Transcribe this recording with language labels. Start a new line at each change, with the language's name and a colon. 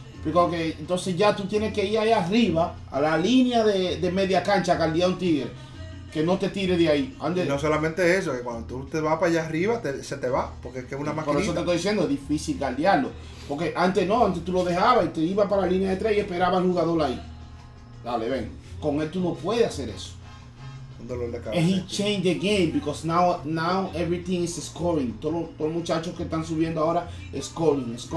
Spanish: Porque entonces ya tú tienes que ir ahí arriba, a la línea de media cancha, a caldear un tigre, que no te tire de ahí. Ande. No solamente eso, que cuando tú te vas para allá arriba, se te va, porque es que es una maquinita. Por eso te estoy diciendo, es difícil caldearlo. Porque antes no, antes tú lo dejabas y te ibas para la línea de tres y esperabas al jugador ahí. Dale, ven. Con él tú no puedes hacer eso. Un dolor de cabeza.
English: And he changed the game, because now everything is scoring.
Spanish: Todos los muchachos que están subiendo ahora, scoring.